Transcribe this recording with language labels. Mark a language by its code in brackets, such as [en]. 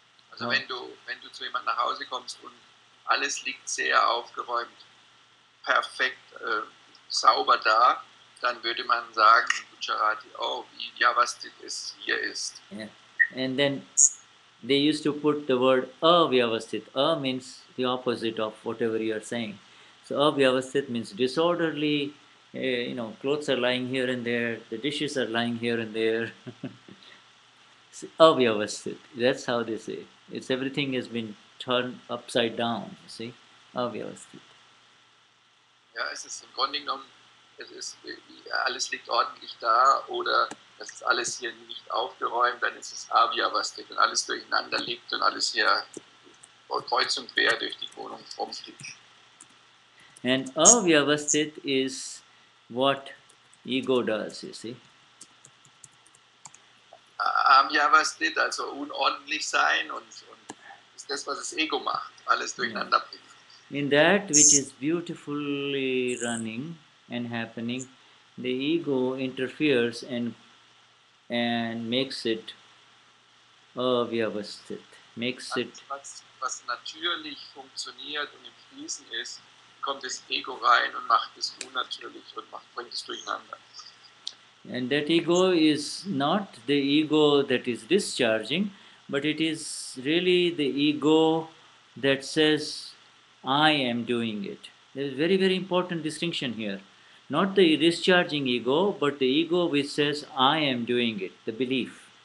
[de] Also wenn du zu jemand nach Hause kommst und alles liegt sehr aufgeräumt, perfekt, sauber da, dann würde man sagen, Gujarati, oh, wie Vyavasthit es hier ist. [en] Yeah. And then they used to put the word Vyavasthit. A means the opposite of whatever you are saying. So Vyavasthit means disorderly. You know, clothes are lying here and there, the dishes are lying here and there. Avyavasthit, that's how they say it. It's everything has been turned upside down, you see? Avyavasthit. [de] Ja, es ist im Grunde genommen, es ist, alles liegt ordentlich da, oder es ist alles hier nicht aufgeräumt, dann ist es Avyavasthit, wenn alles durcheinander liegt und alles hier kreuz und quer durch die Wohnung rumfliegt. [en] And Avyavasthit is what ego does, you see? [de] Avyavasthit, also unordentlich sein, und ist das, was das Ego macht, alles durcheinander bringt. [en] In that which is beautifully running and happening, the ego interferes and makes it avyavasthit, makes it. [de] Was natürlich funktioniert und im Fließen ist, kommt das Ego rein und macht es unnatürlich und bringt es durcheinander. [en] And that ego is not the ego that is discharging, but it is really the ego that says, I am doing it. There is a very, very important distinction here. Not the discharging ego, but the ego which says, I am doing it, the belief.